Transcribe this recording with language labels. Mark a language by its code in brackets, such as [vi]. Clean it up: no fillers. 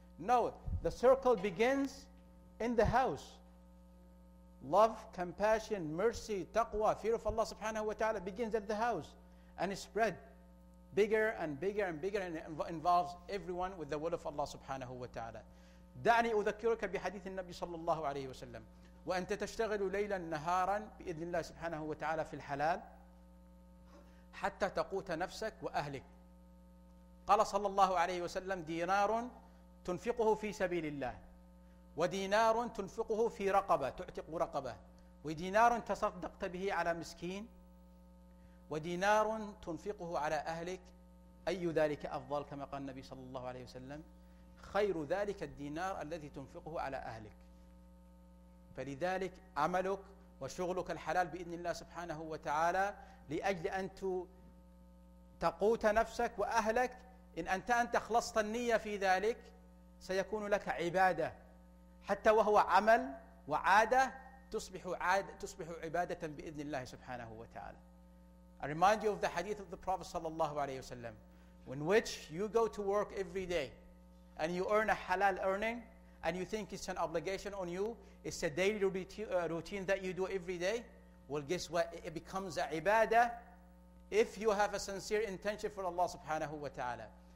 [en] No, the circle begins in the house. Love, compassion, mercy, taqwa, fear of Allah subhanahu wa ta'ala begins at the house, and it spread bigger and bigger and bigger, and involves everyone with the will of Allah subhanahu wa ta'ala. [ar] دعني أذكرك بحديث النبي صلى الله عليه وسلم: وأنت تشتغل ليلا نهارا بإذن الله سبحانه وتعالى في الحلال حتى تقوت نفسك وأهلك. قال صلى الله عليه وسلم: دينار تنفقه في سبيل الله، ودينار تنفقه في رقبة تعتق رقبة، ودينار تصدقت به على مسكين، ودينار تنفقه على أهلك، أي ذلك أفضل؟ كما قال النبي صلى الله عليه وسلم: خير ذلك الدينار الذي تنفقه على أهلك. فلذلك عملك وشغلك الحلال بإذن الله سبحانه وتعالى لأجل أن تقوت نفسك وأهلك، إن أنت خلصت النية في ذلك سيكون لك عبادة، حتى وهو عمل وعادة تصبح عبادة بإذن الله سبحانه وتعالى. [en] I remind you of the hadith of the Prophet صلى الله عليه وسلم: when which you go to work every day and you earn a halal earning, and you think it's an obligation on you, it's a daily routine that you do every day, well, guess what? It becomes a ibadah if you have a sincere intention for Allah subhanahu wa ta'ala.